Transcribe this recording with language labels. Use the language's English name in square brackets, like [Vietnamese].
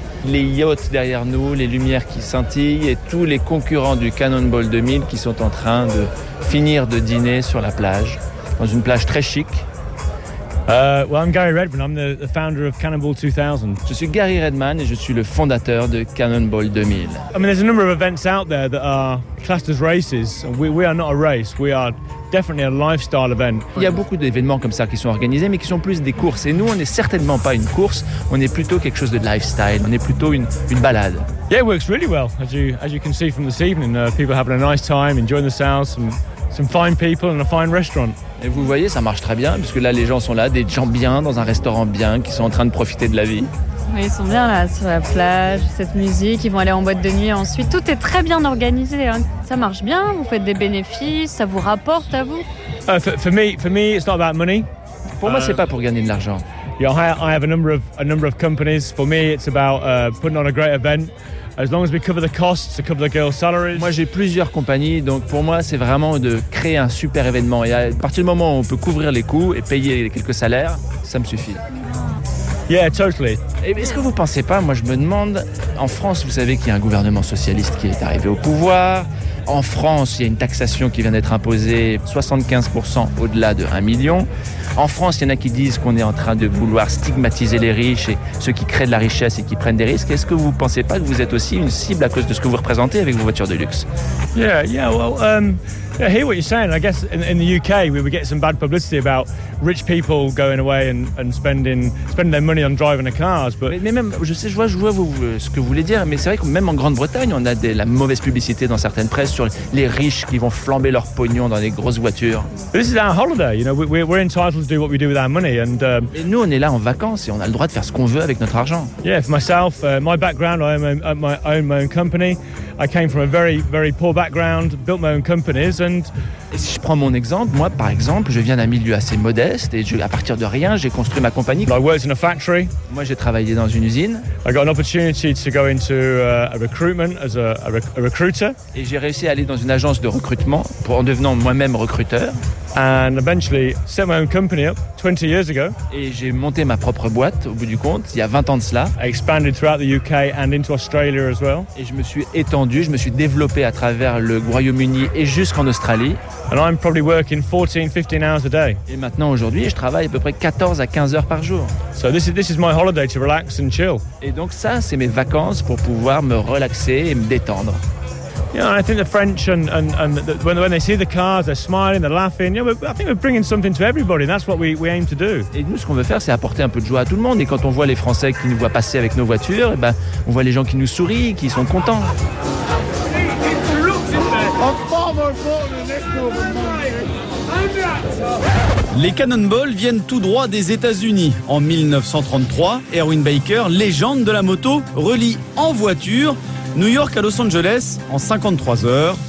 [French] Les yachts derrière nous, les lumières qui scintillent et tous les concurrents du Cannonball 2000 qui sont en train de finir de dîner sur la plage, dans une plage très chic. [English] I'm Gary Redman. I'm the founder of Cannonball 2000. [French] Je suis Gary Redman et je suis le fondateur de Cannonball 2000. [English] I mean, there's a number of events out there that are classed as races. We are not a race. We are definitely a lifestyle event. [French] Il y a beaucoup d'événements comme ça qui sont organisés, mais qui sont plus des courses. Et nous, on n'est certainement pas une course. On est plutôt quelque chose de lifestyle. On est plutôt une balade. [English] Yeah, it works really well, as you can see from this evening. People having a nice time, enjoying themselves, some fine people and a fine restaurant. [French] Et vous voyez, ça marche très bien, puisque là, les gens sont là, des gens bien, dans un restaurant bien, qui sont en train de profiter de la vie. Oui, ils sont bien là, sur la plage, cette musique, ils vont aller en boîte de nuit ensuite. Tout est très bien organisé, hein. Ça marche bien, vous faites des bénéfices, ça vous rapporte à vous. [English] For me, it's not about money. [French] Pour moi, c'est pas pour gagner de l'argent. [English] Yeah, I have a number of companies. For me, it's about putting on a great event. As long as we cover the costs, to cover the girls' salaries. [French] Moi, j'ai plusieurs compagnies, donc pour moi, c'est vraiment de créer un super événement. Et à partir du moment où on peut couvrir les coûts et payer quelques salaires, ça me suffit. [English] Yeah, totally. [French] Est-ce que vous pensez pas, moi je me demande, en France, vous savez qu'il y a un gouvernement socialiste qui est arrivé au pouvoir. En France, il y a une taxation qui vient d'être imposée 75% au-delà de 1 million. En France, il y en a qui disent qu'on est en train de vouloir stigmatiser les riches et ceux qui créent de la richesse et qui prennent des risques. Est-ce que vous pensez pas que vous êtes aussi une cible à cause de ce que vous représentez avec vos voitures de luxe? [English] Yeah, I hear what you're saying. I guess in the UK, we would get some bad publicity about rich people going away and spending their money on driving their cars. But [French] mais même, je vois ce que vous voulez dire, mais c'est vrai que même en Grande-Bretagne, on a de la mauvaise publicité dans certaines presses sur les riches qui vont flamber leur pognon dans des grosses voitures. [English] This is our holiday, you know. We're entitled to do what we do with our money. And [French] nous, on est là en vacances et on a le droit de faire ce qu'on veut avec notre argent. [English] Yeah, for myself, my background, I own my own company. I came from a very, very poor background, built my own companies, and... [French] Et si je prends mon exemple, moi, par exemple, je viens d'un milieu assez modeste et à partir de rien, j'ai construit ma compagnie. [English] I worked in a factory. [French] Moi, j'ai travaillé dans une usine. [English] I got an opportunity to go into a recruitment as a recruiter. [French] Et j'ai réussi à aller dans une agence de recrutement pour, en devenant moi-même recruteur. [English] And eventually set my own company up 20 years ago. [French] Et j'ai monté ma propre boîte, au bout du compte, il y a 20 ans de cela. [English] I expanded throughout the UK and into Australia as well. [French] Et je me suis étendu, je me suis développé à travers le Royaume-Uni et jusqu'en Australie. [English] And I'm probably working 14-15 hours a day. [French] Et maintenant, aujourd'hui, je travaille à peu près 14 à 15 heures par jour. [English] So this is my holiday to relax and chill. [French] Et donc ça, c'est mes vacances pour pouvoir me relaxer et me détendre. [English] Yeah, you know, I think the French and when they see the cars, they're smiling, they're laughing. You know, I think we're bringing something to everybody. And that's what we aim to do. [French] Et nous, ce qu'on veut faire, c'est apporter un peu de joie à tout le monde. Et quand on voit les Français qui nous voient passer avec nos voitures, et ben, on voit les gens qui nous sourient, qui sont contents. [English] I'm far more important than this woman. [French] Les Cannonballs viennent tout droit des États-Unis. En 1933, Erwin Baker, légende de la moto, relie en voiture New York à Los Angeles en 53 heures.